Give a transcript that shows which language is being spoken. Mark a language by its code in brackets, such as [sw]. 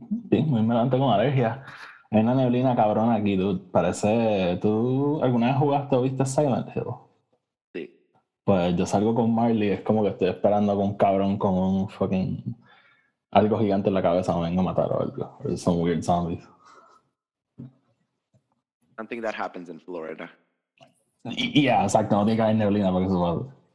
[es] Sí, muy me levanté con alergia. Hay una neblina cabrona aquí, dude. Parece. ¿Tú alguna vez jugaste o viste Silent Hill? Sí. Pues yo salgo con Marley, es como que estoy esperando con un cabrón con un fucking. Algo gigante en la cabeza, me venga a matar o algo. [en] Son weird zombies. I don't think that happens in Florida. [es] Y, yeah, exacto, no tiene que haber neblina porque eso va.